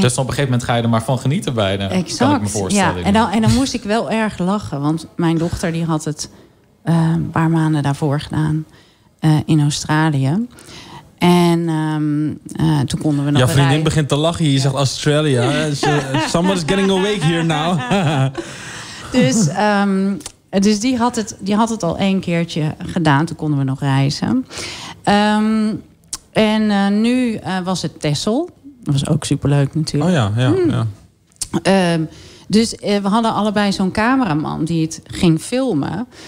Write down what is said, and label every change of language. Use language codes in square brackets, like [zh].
[nl] Dus op een gegeven moment ga je er maar van genieten bijna. Exact. Kan ik me voorstellen. Ja. En dan moest ik wel erg lachen. Want mijn dochter die had het een paar maanden daarvoor gedaan. In Australië. En toen konden we nog rijden. Ja, vriendin begint te lachen. Je zegt Australia. [en] Someone's getting awake here now. [nl] dus die had het al 1 keertje gedaan. Toen konden we nog reizen. En nu was het Texel. Dat was ook superleuk natuurlijk. Oh ja, ja. Hmm. Ja. We hadden allebei zo'n cameraman die het ging filmen.